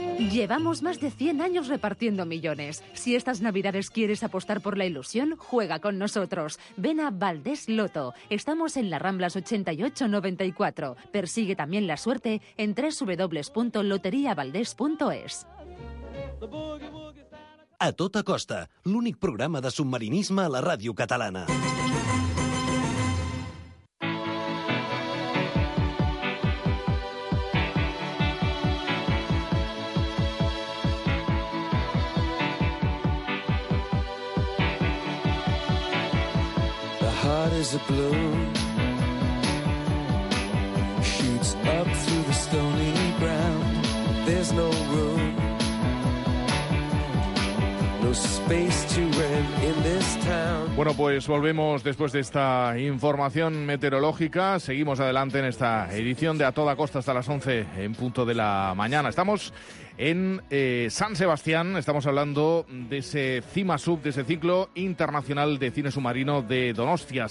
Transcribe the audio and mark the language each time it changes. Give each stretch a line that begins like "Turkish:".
Spanish: Llevamos más de 100 años repartiendo millones. Si estas Navidades quieres apostar por la ilusión, juega con nosotros. Ven a Valdés Loto. Estamos en la Ramblas 88-94. Persigue también la suerte en www.loteriavaldés.es.
Catalan: A tota costa, l'únic programa de submarinisme a la ràdio catalana.
English: Is a blue shoots up through the stony ground. There's no room, no space to rent in this town.
Spanish: Bueno, pues volvemos después de esta información meteorológica. Seguimos adelante en esta edición de A Toda Costa hasta las 11 en punto de la mañana. Estamos en San Sebastián, estamos hablando de ese CIMASUB, de ese ciclo internacional de cine submarino de Donostia.